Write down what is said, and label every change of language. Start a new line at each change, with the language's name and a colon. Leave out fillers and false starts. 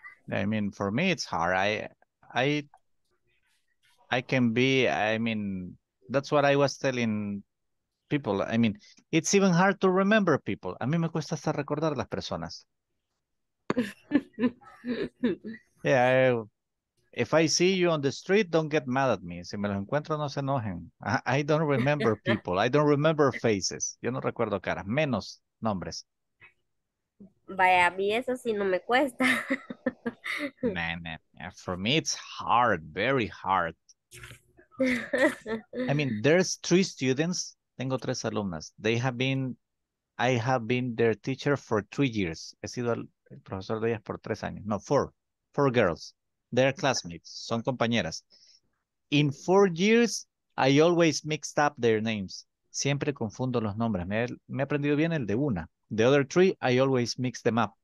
English: I mean, for me, it's hard. I can be, I mean, that's what I was telling people. I mean, it's even hard to remember people.
Spanish: A mí me cuesta hasta recordar las personas.
English: Yeah, if I see you on the street, don't get mad at me.
Spanish: Si me los encuentro, no se enojen.
English: I don't remember people. I don't remember faces.
Spanish: Yo no recuerdo caras, menos nombres. Vaya, a mí eso sí no me cuesta.
English: Man, for me it's hard, very hard. I mean, there's three students.
Spanish: Tengo tres alumnas.
English: I have been their teacher for 3 years.
Spanish: He sido el profesor de ellas por 3 años.
English: No, four girls. They're classmates.
Spanish: Son compañeras.
English: In 4 years, I always mixed up their names.
Spanish: Siempre confundo los nombres. Me he aprendido bien el de una.
English: The other three, I always mix them up.